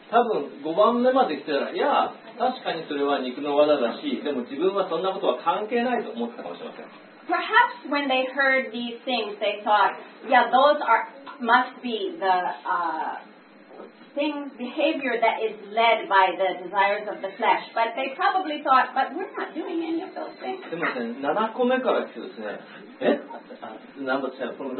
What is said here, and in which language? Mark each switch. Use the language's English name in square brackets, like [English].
[Japanese] 多分5番目まで来てたら、いや、確かにそれは肉の技だし、でも自分はそんなことは関係ないと思ったかもしれません。 [English] Perhaps when they heard these things, they thought, yeah, those are, must be the, things, behavior that is led by the desires of the flesh. But they probably thought, but we're not doing any of those things. [Japanese] でもですね、7個目から来てですね、 [English] Number 7.